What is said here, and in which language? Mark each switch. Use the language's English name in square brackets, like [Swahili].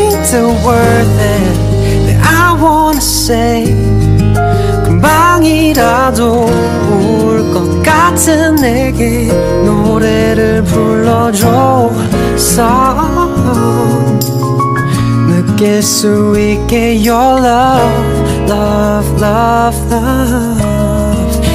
[English] The word that I wanna say. [Korean] 금방이라도 울 것 같은 내게 노래를 불러줘. [English] Song. [Korean] 느낄 수 있게 [English] your love, love, love, love.